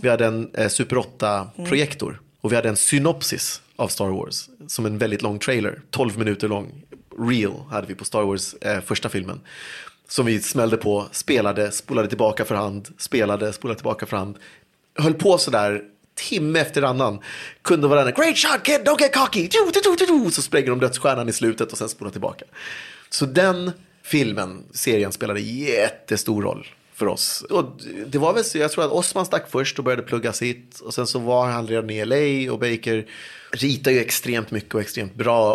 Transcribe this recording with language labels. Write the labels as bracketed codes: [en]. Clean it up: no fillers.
[sv] Vi hade en Super 8-projektor. Mm. Och vi hade en synopsis av Star Wars, som en väldigt lång trailer, 12 minuter lång. Reel hade vi på Star Wars första filmen. Som vi smällde på, spelade, spolade tillbaka för hand, spelade, spolade tillbaka för hand. Höll på så där timme efter annan. Kunde varandra, [en] great shot kid, don't get cocky. [sv] Så spränger de dödsstjärnan i slutet och sen spolar tillbaka. Så den filmen, serien, spelade jättestor roll för oss. Och det var väl så, jag tror att Osman stack först och började plugga sitt. Och sen så var han redan i LA och Baker ritar ju extremt mycket och extremt bra.